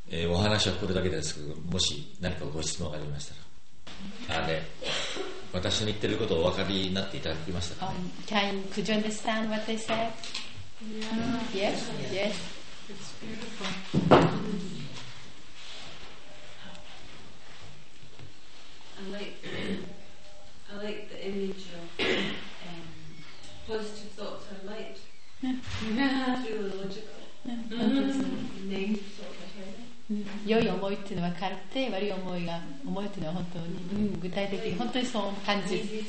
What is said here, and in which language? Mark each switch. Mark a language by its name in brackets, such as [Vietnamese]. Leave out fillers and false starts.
[Japanese] お話はこれだけですけど、もし何かご質問がありましたら、あれ私の言ってることをお分かりになっていただきましたか、ね。 [English] Can you, could you understand what they said? Yeah. Yes. Yes. It's beautiful. I like the image of positive thoughts are light. It's really logical. Name thought I heard. [Japanese] 良い思いっていうのは軽くて、悪い思いが思いっていうのは本当に、うん、具体的に本当にそう感じる。